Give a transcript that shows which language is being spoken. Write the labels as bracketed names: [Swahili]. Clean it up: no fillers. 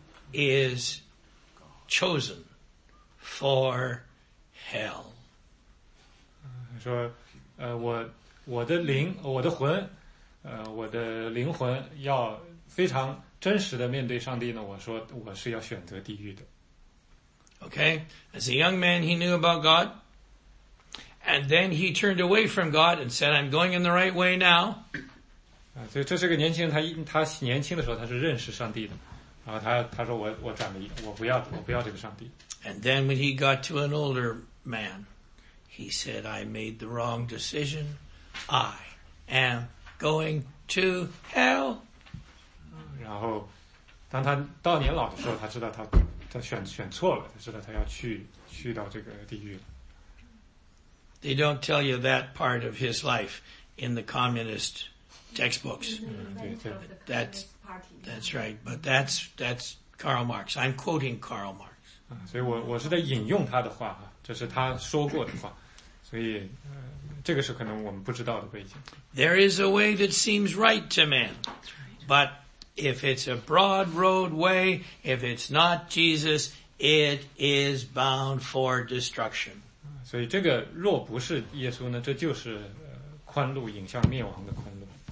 [English] Is chosen for hell. [Chinese] 说，我的灵，我的魂，我的灵魂要非常真实的面对上帝呢。我说，我是要选择地狱的。 [English] Okay, as a young man, he knew about God, and then he turned away from God and said, "I'm going in the right way now." [Chinese] 所以这是个年轻人，他年轻的时候他是认识上帝的。然后他说我转离，我不要这个上帝。 [English] And then when he got to an older man, he said, "I made the wrong decision. I am going to hell." [Chinese] 然后，当他到年老的时候，他知道他选错了，他知道他要去到这个地狱了。 [English] They don't tell you that part of his life in the communist textbooks. [Chinese] 对 [English] that's right, but that's Karl Marx. I'm quoting Karl Marx. [Chinese] 所以我是在引用他的话，这是他说过的话，所以这个是可能我们不知道的背景。 [English] There is a way that seems right to man, but if it's a broad road way, if it's not Jesus, it is bound for destruction. [Chinese] 所以这个若不是耶稣呢，这就是宽路引向灭亡的宽路。